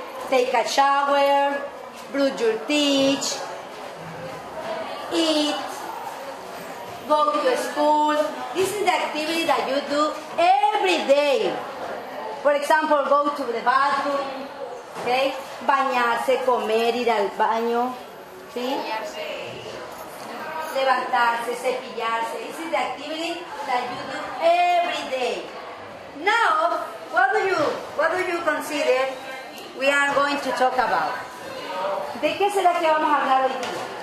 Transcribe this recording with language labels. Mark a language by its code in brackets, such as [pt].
[en] Take a shower, brush your teeth, eat, go to school. This is the activity that you do every day. For example, go to the bathroom, okay? [es] Bañarse, comer, ir al baño, ¿sí? Levantarse, cepillarse. [en] This is the activity that you do every day. Now, what do you consider? We are going to talk about. [es] ¿De qué será que vamos a hablar hoy día?